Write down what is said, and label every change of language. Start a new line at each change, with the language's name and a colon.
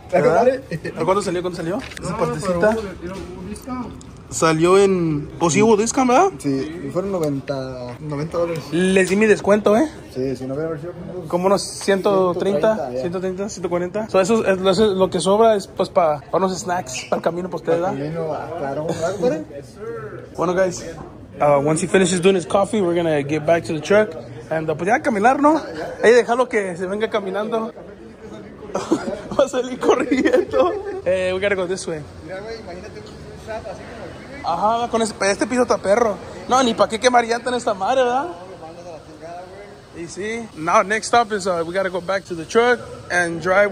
Spanish: ¿Pero cuándo salió? ¿Cuándo salió? Esa partecita. Salió en... ¿O sí hubo discount, verdad? Sí, y fueron $90. Les di mi descuento, ¿eh? Sí, si no hubiera sido como... Como unos 130, 140. So eso es lo que sobra, es pues para unos snacks, para el camino, pues te da.
English: Bueno, guys, once he finishes doing his coffee, we're gonna get back to the truck.
Spanish: And pues ya caminar, ¿no? Ahí dejarlo que se venga caminando. Va a salir corriendo.
English: We gotta go this way.
Spanish: Ajá, con este piso está perro. No, ni para qué quemar llanta en esta madre, ¿verdad? Y sí.
English: Now, next stop is we gotta go back to the truck and drive.